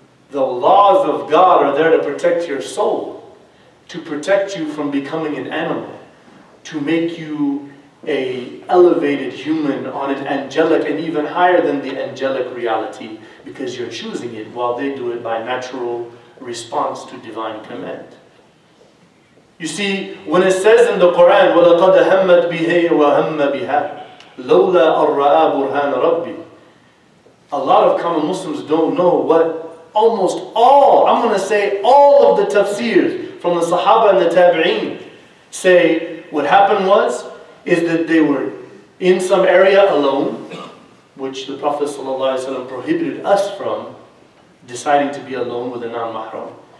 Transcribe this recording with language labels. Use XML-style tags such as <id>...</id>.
<en>The laws of God are there to protect your soul, to protect you from becoming an animal, to make you a elevated human on an angelic and even higher than the angelic reality, because you're choosing it while they do it by natural response to divine command. You see, when it says in the Quran,</en> <ar>وَلَقَدْ هَمَّتْ بِهِ وَهَمَّ بِهَا لَوْلَا أَرْرَآ بُرْهَانَ رَبِّي.</ar> <en>A lot of common Muslims don't know what almost all, I'm going to say all of the tafsirs from the Sahaba and the Tabi'een say what happened was, is that they were in some area alone, which the Prophet ﷺ prohibited us from deciding to be alone with a non-mahram.</en>